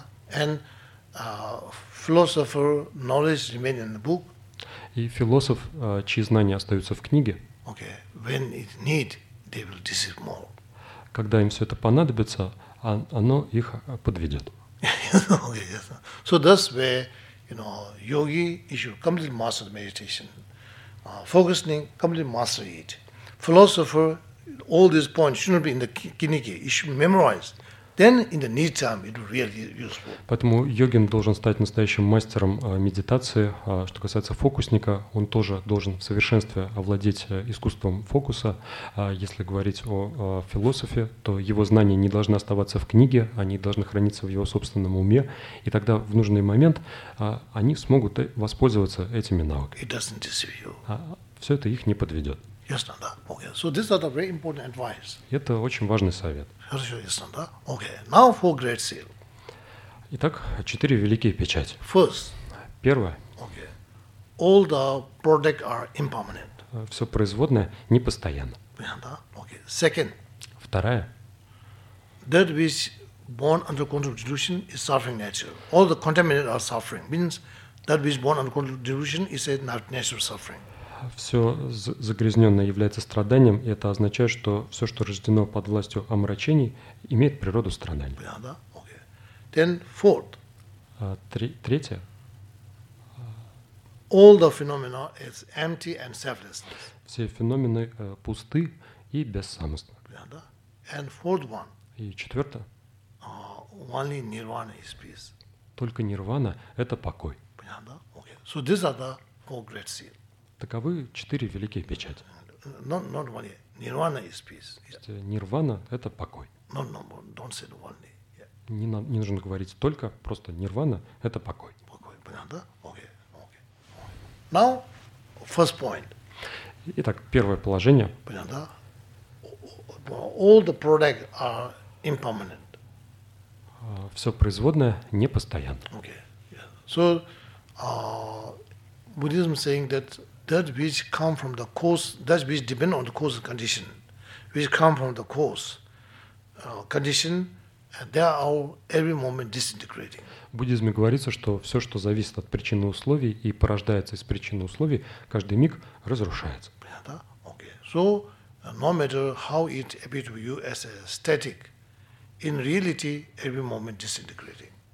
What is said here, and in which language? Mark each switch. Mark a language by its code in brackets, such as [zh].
[en] And philosopher knowledge remain in the book. [ru] И философ, чьи знания остаются в книге. [en] Okay. When it need, they will deceive more. [ru] Когда им все это понадобится, оно их подведет. [en] Okay, yes. So that's where, you know, yogi should completely master meditation. Focusing, completely master it. Philosopher, all these points shouldn't be in the kinnike, it should be memorized. Then in the need time it will really useful. [ru] Поэтому йогин должен стать настоящим мастером медитации. Что касается фокусника, он тоже должен в совершенстве овладеть искусством фокуса. Если говорить о философе, то его знания не должны оставаться в книге, они должны храниться в его собственном уме, и тогда в нужный момент они смогут воспользоваться этими навыками. [en] It doesn't deceive you. [ru] Все это их не подведет. Ясно, да? [en] Okay. So this is a very important advice. [ru] Это очень важный совет. Хорошо, ясно, да? [en] Okay. Now four great seal. [ru] Итак, четыре великие печати. [en] First. [ru] Первое. [en] Okay. All the product are impermanent. [ru] Все производное непостоянно. Понятно, да? [en] Okay. Second. [ru] Вторая. [en] That which born under control of delusion is suffering nature. All the contaminated are suffering. Means that which born under control of delusion is a natural suffering. [ru] Все загрязненное является страданием, и это означает, что все, что рождено под властью омрачений, имеет природу страдания. Понятно, да? [en] Okay. Then fourth. [ru] Третье. [en] All the phenomena is empty and selfless. [ru] Все феномены пусты и бессамостны. Понятно, да? [en] And fourth one. [ru] И четвертое. [en] Only nirvana is peace. [ru] Только нирвана – это покой. Понятно, да? [en] Okay. So these are the four great seals. [ru] Таковы четыре великие печати. [en] Not only. Nirvana is peace. Yeah. [ru] То есть нирвана – это покой. [en] No, don't say only. Yeah. [ru] Не нужно говорить только, просто нирвана – это покой. Покой, понятно, да? [en] Okay. Now, first point. [ru] Итак, первое положение. Понятно, да? [en] All the product are impermanent. [ru] Все производное непостоянно. [en] Okay. Yeah. So, Buddhism saying that that which come from the cause, that which depend on the cause condition, which come from the cause condition, they are all every moment disintegrating. [ru] В буддизме говорится, что все, что зависит от причины условий и порождается из причины условий, каждый миг разрушается. Понятно? Okay. [en] So, no matter how it appears to you as a static, in reality, every moment disintegrating.